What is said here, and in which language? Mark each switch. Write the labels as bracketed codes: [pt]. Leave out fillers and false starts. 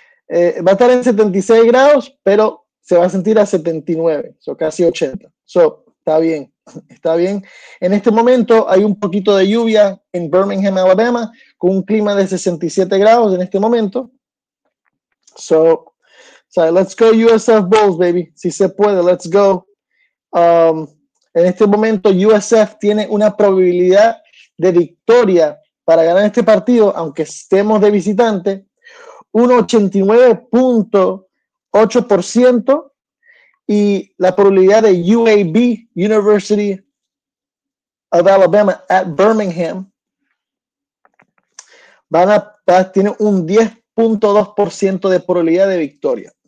[es] Va a estar en 76 grados, pero se va a sentir a 79, o so casi 80. So, está bien, está bien. En este momento hay un poquito de lluvia en Birmingham, Alabama, con un clima de 67 grados en este momento. [en] So, so, let's go USF Bulls, baby. [es] Si se puede, [en] let's go. [es] En este momento, USF tiene una probabilidad de victoria para ganar este partido, aunque estemos de visitante, un 89.8%, y la probabilidad de UAB, University of Alabama at Birmingham, tiene un 10.2% de probabilidad de victoria.